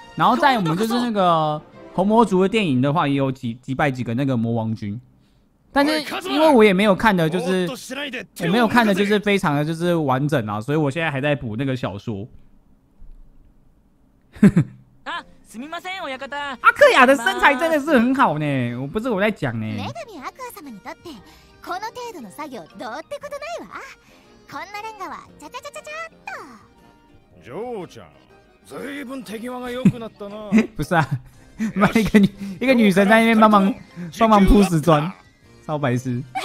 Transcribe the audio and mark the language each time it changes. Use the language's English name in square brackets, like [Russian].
[Chinese] 然后在我们就是那个红魔族的电影的话，也有击败几个那个魔王军，但是因为我也没有看的，就是我没有看的，就是非常的就是完整啊，所以我现在还在补那个小说。啊， [Japanese] すみません、親方。 [Chinese] 阿克雅的身材真的是很好呢，我不是我在讲呢。 [Japanese] 女神阿克雅様にとってこの程度の作業どうってことないわ。こんなレンガはちゃちゃちゃちゃっと。ジョーちゃん。随分手際が良くなったな。 [Chinese] 不是啊，卖一个女生在那边帮忙铺石砖，超白痴。